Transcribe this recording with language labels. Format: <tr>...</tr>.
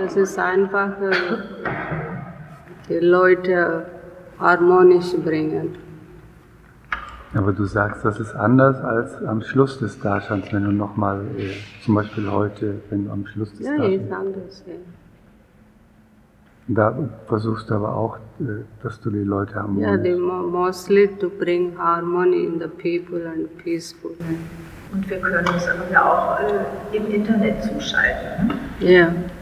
<de>Das ist einfach, die Leute harmonisch bringen. Aber du sagst, das ist anders als am Schluss des Darshans, wenn du nochmal, zum Beispiel heute, wenn du am Schluss des Darshans. Ja, ist anders, ja. Da versuchst du aber auch, dass du die Leute harmonisch.</de> <en>Ja, mostly to bring harmony in the people and peaceful.</en> <de>Und wir können uns aber ja auch im Internet zuschalten. Ja.</de> <en>Yeah.</en>